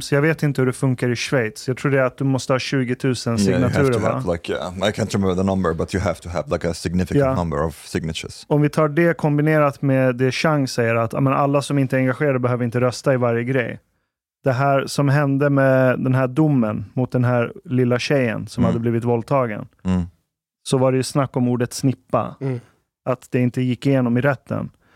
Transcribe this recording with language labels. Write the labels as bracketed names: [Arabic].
[Swedish] Så jag vet inte hur det funkar i Schweiz. Jag tror det är att du måste ha 20 000 signaturer, [English] yeah, you have to [Swedish] va? [English] Have like, yeah. I can't remember the number, but you have to have like a significant number of signatures. [Swedish] Om vi tar det kombinerat med det Chang säger, att men alla som inte är engagerade behöver inte rösta i varje grej. Det här som hände med den här domen mot den här lilla tjejen som hade blivit våldtagen. Mm. Så var det ju snack om ordet snippa. Mm. Att det inte gick igenom i rätten.